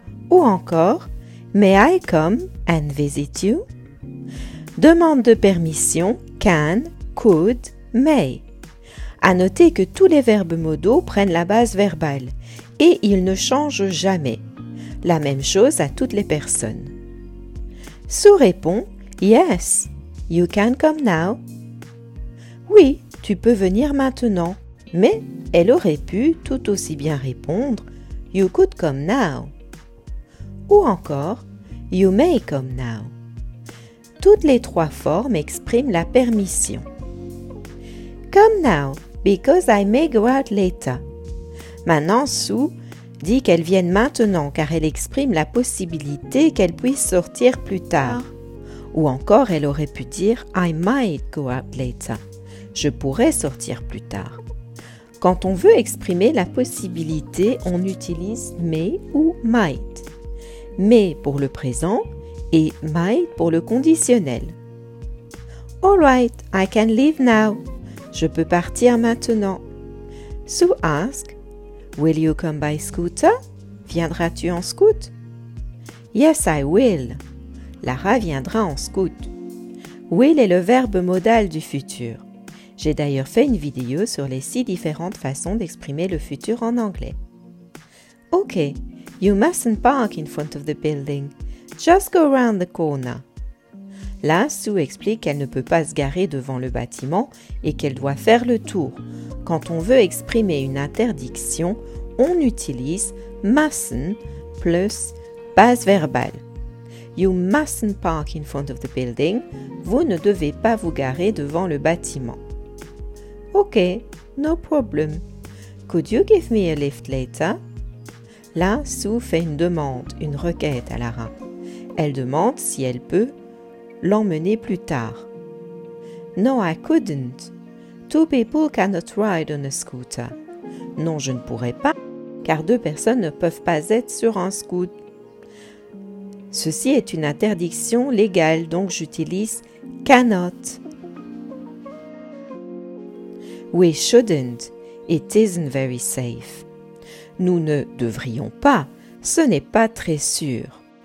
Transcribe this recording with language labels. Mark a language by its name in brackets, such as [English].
[French] Ou encore [English] May I come and visit you? [French] Demande de permission, can, could, may. À noter que tous les verbes modaux prennent la base verbale et ils ne changent jamais. La même chose à toutes les personnes. Sue répond, [English] yes, you can come now. [French] Oui, tu peux venir maintenant. Mais elle aurait pu tout aussi bien répondre, [English] you could come now. [French] Ou encore, [English] you may come now. [French] Toutes les trois formes expriment la permission. [English] Come now, because I may go out later. [French] Maintenant, Sue dit qu'elle vienne maintenant car elle exprime la possibilité qu'elle puisse sortir plus tard. Ou encore, elle aurait pu dire [English] I might go out later. [French] Je pourrais sortir plus tard. Quand on veut exprimer la possibilité, on utilise may ou might. May pour le présent et might pour le conditionnel. [English] All right, I can leave now. [French] Je peux partir maintenant. [English] Sue ask, will you come by scooter? [French] Viendras-tu en scoot? [English] Yes, I will. [French] Lara viendra en scoot. Will est le verbe modal du futur. J'ai d'ailleurs fait une vidéo sur les 6 différentes façons d'exprimer le futur en anglais. [English] Ok, you mustn't park in front of the building. Just go around the corner. [French] Là, Sue explique qu'elle ne peut pas se garer devant le bâtiment et qu'elle doit faire le tour. Quand on veut exprimer une interdiction, on utilise mustn't plus base verbale. [English] You mustn't park in front of the building. [French] Vous ne devez pas vous garer devant le bâtiment. [English] Ok, no problem. Could you give me a lift later? [French] Là, Sue fait une demande, une requête à Lara. Elle demande si elle peut l'emmener plus tard. [English] No, I couldn't. Two people cannot ride on a scooter. [French] Non, je ne pourrais pas, car deux personnes ne peuvent pas être sur un scooter. Ceci est une interdiction légale, donc j'utilise cannot. [English] We shouldn't. It isn't very safe. [French] Nous ne devrions pas, ce n'est pas très sûr.